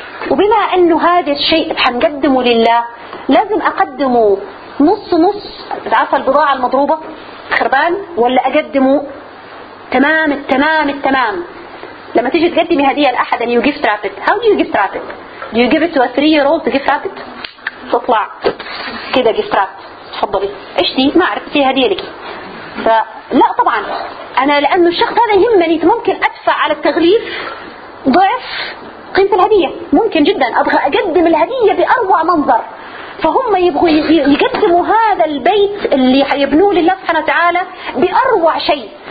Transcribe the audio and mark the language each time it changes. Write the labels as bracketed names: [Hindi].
[Arabic] وبما انه هذا الشيء حنقدمه لله، لازم اقدمه نص نص، عارفه البضاعة المضروبة خربان، ولا اقدمه تمام التمام التمام. لما تيجي تقدمي هدية لأحد، [English] and you gift wrap it. How do you gift wrap it? Do you give it to a 3-year-old to gift wrap it? [Arabic] تطلع كده gift wrap. تفضلي. إيش دي؟ ما عرفت في هدية لك. فلا طبعا. أنا لأنه الشخص هذا يهمني، ممكن أدفع على التغليف ضعف قيمة الهدية. ممكن جدا. أبغى أقدم الهدية بأروع منظر. فهم يبغوا يقدموا هذا البيت اللي حيبنوه لله سبحانه وتعالى بأروع شيء.